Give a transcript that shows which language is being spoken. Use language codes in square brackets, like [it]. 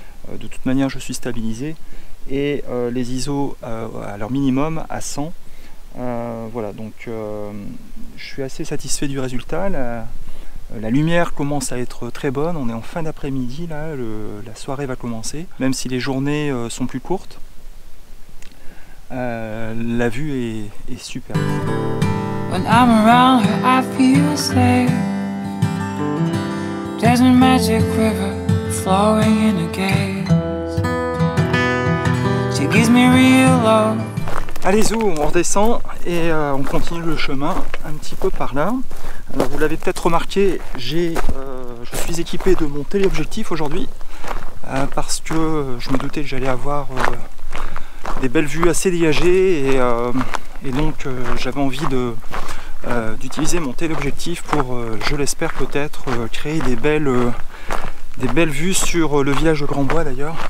[fr] De toute manière, je suis stabilisé. Et les ISO à leur minimum à 100. Voilà, donc je suis assez satisfait du résultat. La lumière commence à être très bonne. On est en fin d'après-midi, là, la soirée va commencer. Même si les journées sont plus courtes. La vue est super. [en] When I'm around her, I feel safe. There's a magic river flowing in a gaze. She gives me real love. [fr] Allez, on redescend et on continue le chemin un petit peu par là. Alors, vous l'avez peut-être remarqué, je suis équipé de mon téléobjectif aujourd'hui parce que je me doutais que j'allais avoir des belles vues assez dégagées et donc j'avais envie d'utiliser mon téléobjectif pour, je l'espère peut-être, créer des belles vues sur le village de Grandbois d'ailleurs.